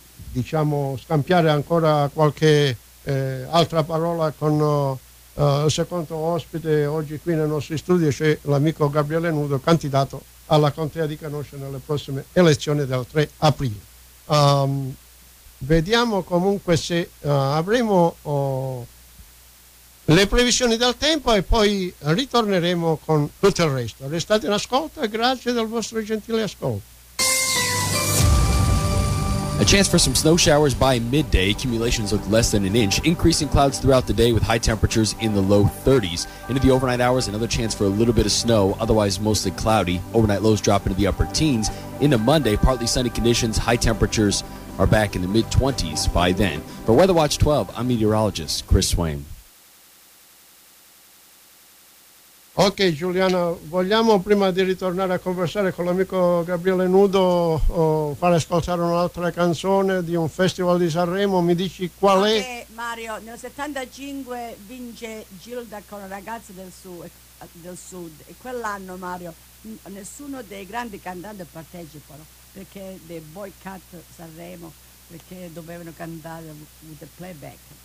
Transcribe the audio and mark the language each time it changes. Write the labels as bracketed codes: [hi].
[it] diciamo scambiare ancora qualche altra parola con il secondo ospite oggi qui nei nostri studi, c'è l'amico Gabriele Nudo, candidato alla Contea di Canosce nelle prossime elezioni del 3 aprile. Vediamo comunque se avremo le previsioni del tempo e poi ritorneremo con tutto il resto. Restate in ascolto e grazie del vostro gentile ascolto. [en] A chance for some snow showers by midday. Accumulations look less than an inch. Increasing clouds throughout the day with high temperatures in the low 30s. Into the overnight hours, another chance for a little bit of snow, otherwise mostly cloudy. Overnight lows drop into the upper teens. Into Monday, partly sunny conditions. High temperatures are back in the mid-20s by then. For WeatherWatch 12, I'm meteorologist Chris Swain. [it] Ok Giuliano, vogliamo prima di ritornare a conversare con l'amico Gabriele Nudo far ascoltare un'altra canzone di un festival di Sanremo, mi dici qual è? Mario, nel 75 vince Gilda con una ragazza del sud e quell'anno Mario nessuno dei grandi cantanti partecipano perché dei boycott Sanremo, perché dovevano cantare [en] with the playback.